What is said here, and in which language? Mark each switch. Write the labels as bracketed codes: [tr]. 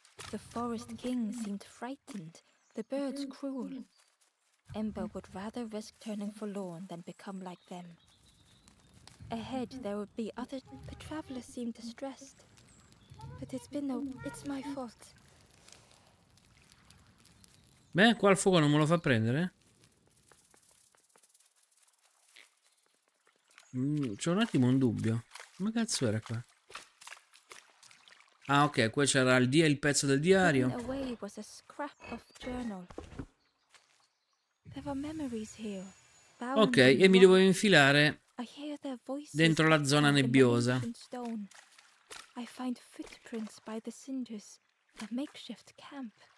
[en] The forest king seemed frightened, the birds cruel. Ember would rather risk turning forlorn than become like them. Ahead there would be other. The traveler seemed distressed. But it's been a. It's my fault. [it] Beh, qua il fuoco non me lo fa prendere. C'ho un attimo un dubbio. Come cazzo era qua? Ah, ok, qua c'era il dia, il pezzo del diario. Ok, e mi dovevo infilare dentro la zona nebbiosa. [en] I find footprints by the cinders, the makeshift camp.